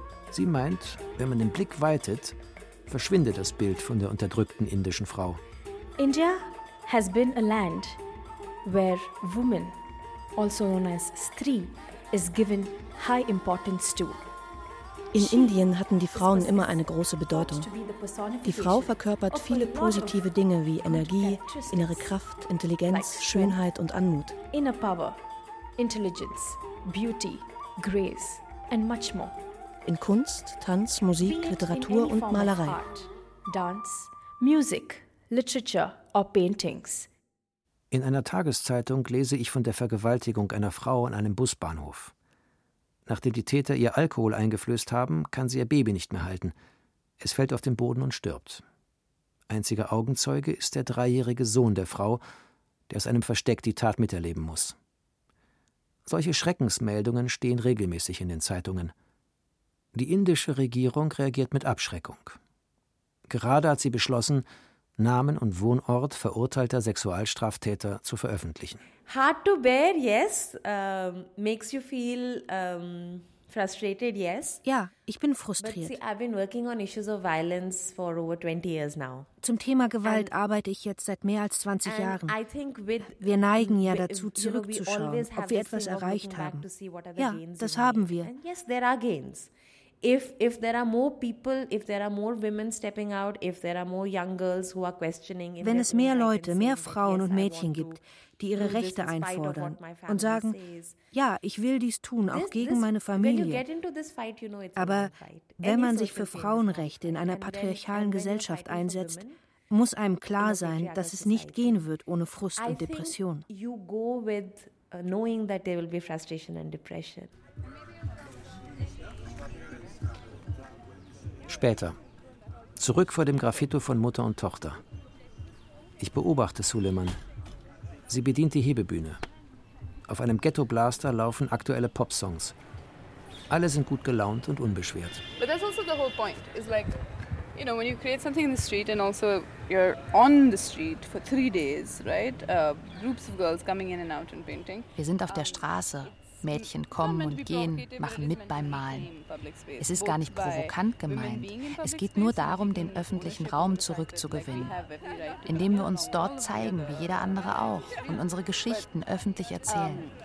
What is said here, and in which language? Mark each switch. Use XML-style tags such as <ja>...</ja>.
<de>Sie meint, wenn man den Blick weitet, verschwinde das Bild von der unterdrückten indischen Frau.</de> <en>India has been a land where woman, also known as Stri, is given high importance too.</en> <de>In Indien hatten die Frauen immer eine große Bedeutung. Die Frau verkörpert viele positive Dinge wie Energie, innere Kraft, Intelligenz, Schönheit und Anmut.</de> <en>Inner power, intelligence, beauty, grace and much more.</en> <de>In Kunst, Tanz, Musik, Literatur und Malerei.</de> <en>Dance, music, literature or paintings.</en> <de>In einer Tageszeitung lese ich von der Vergewaltigung einer Frau an einem Busbahnhof. Nachdem die Täter ihr Alkohol eingeflößt haben, kann sie ihr Baby nicht mehr halten. Es fällt auf den Boden und stirbt. Einziger Augenzeuge ist der 3-jährige Sohn der Frau, der aus einem Versteck die Tat miterleben muss. Solche Schreckensmeldungen stehen regelmäßig in den Zeitungen. Die indische Regierung reagiert mit Abschreckung. Gerade hat sie beschlossen, Namen und Wohnort verurteilter Sexualstraftäter zu veröffentlichen.</de> <en>Hard to bear, yes. Makes you feel frustrated, yes.</en> <de>Ja, ich bin frustriert.</de> <en>But see, I've been working on issues of violence for over 20 years now.</en> <de>Zum Thema Gewalt arbeite ich jetzt seit mehr als 20 Jahren.</de> <en>I think with,</en> <de>wir neigen ja dazu, zurückzuschauen,</de> <en>you know,</en> <de>ob wir etwas erreicht haben. Ja, das haben wir.</de> <en>And yes, there are gains. If there are more people, if there are more women stepping out, if there are more young girls who are questioning,</en> <de>wenn es mehr Leute, mehr Frauen und Mädchen gibt, die ihre Rechte einfordern und sagen, ja, ich will dies tun, auch gegen meine Familie. Aber wenn man sich für Frauenrechte in einer patriarchalen Gesellschaft einsetzt, muss einem klar sein, dass es nicht gehen wird ohne Frust und Depression.</de> <en>You go with knowing that there will be frustration and depression.</en> <de>Später. Zurück vor dem Graffito von Mutter und Tochter. Ich beobachte Suleiman. Sie bedient die Hebebühne. Auf einem Ghetto-Blaster laufen aktuelle Popsongs. Alle sind gut gelaunt und unbeschwert.</de> <en>But that's also the whole point. It's like, you know, when you create something in the street and also you're on the street for 3 days, right? Groups of girls coming in and out and painting.</en> <de>Wir sind auf der Straße. Mädchen kommen und gehen, machen mit beim Malen. Es ist gar nicht provokant gemeint. Es geht nur darum, den öffentlichen Raum zurückzugewinnen, indem wir uns dort zeigen, wie jeder andere auch, und unsere Geschichten öffentlich erzählen.</de>